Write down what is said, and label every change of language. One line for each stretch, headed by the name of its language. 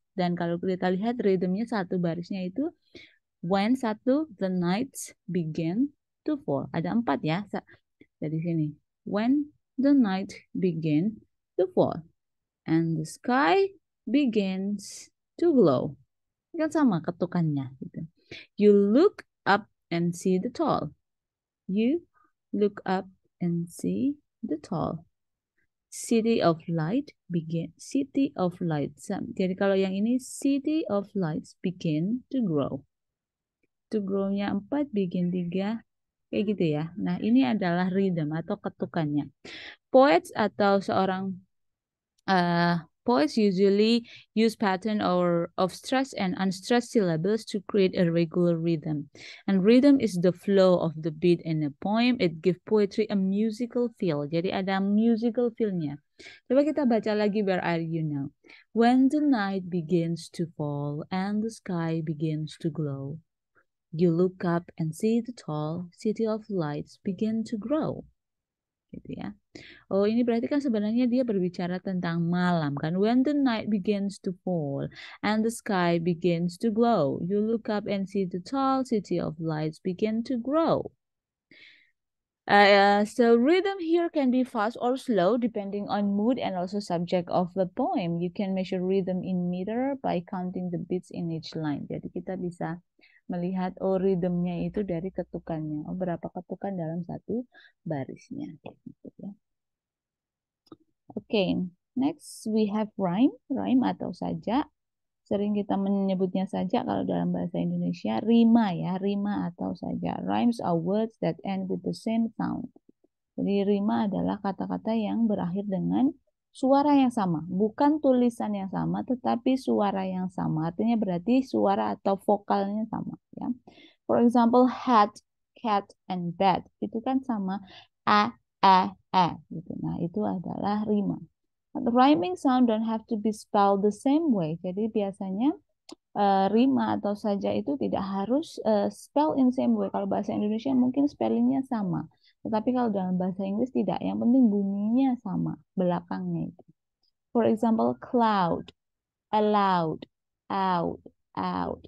Indonesian: Dan kalau kita lihat rhythmnya satu barisnya itu, when satu,
English: the nights begin to fall.
Indonesian: Ada empat ya. Dari sini,
English: when the night begin to fall and the sky begins to glow.
Indonesian: Kan sama ketukannya gitu.
English: You look up and see the tall. You look up and see the tall. City of light begin. City of lights.
Indonesian: Jadi kalau yang ini,
English: city of lights begin to grow.
Indonesian: To grow-nya 4, begin 3. Kayak gitu ya. Nah, ini adalah rhythm atau ketukannya.
English: Poets atau seorang poets usually use pattern or of stress and unstressed syllables to create a regular rhythm. And rhythm is the flow of the beat in a poem. It gives poetry a musical feel.
Indonesian: Jadi ada musical feel-nya. Coba kita baca lagi,
English: where are you now? When the night begins to fall and the sky begins to glow, you look up and see the tall city of lights begin to grow.
Indonesian: Gitu ya. Oh, ini berarti kan sebenarnya dia berbicara tentang malam kan.
English: When the night begins to fall and the sky begins to glow, you look up and see the tall city of lights begin to grow. So rhythm here can be fast or slow depending on mood and also subject of the poem. You can measure rhythm in meter by counting the beats in each line.
Indonesian: Jadi kita bisa melihat, oh, rhythmnya itu dari ketukannya, oh, berapa ketukan dalam satu barisnya.
English: Okay, next we have rhyme.
Indonesian: Rhyme atau sajak, sering kita menyebutnya sajak kalau dalam bahasa Indonesia, rima ya, rima atau sajak.
English: Rhymes are words that end with the same sound.
Indonesian: Jadi rima adalah kata-kata yang berakhir dengan suara yang sama, bukan tulisan yang sama, tetapi suara yang sama. Artinya berarti suara atau vokalnya sama, ya.
English: For example, hat, cat, and bat.
Indonesian: Itu kan sama, a, gitu. Nah, itu adalah rima.
English: The rhyming sound don't have to be spelled the same way.
Indonesian: Jadi biasanya rima atau sajak itu tidak harus
English: spell in same way.
Indonesian: Kalau bahasa Indonesia mungkin spellingnya sama. Tetapi kalau dalam bahasa Inggris tidak, yang penting bunyinya sama, belakangnya itu.
English: For example, cloud, allowed, out, out.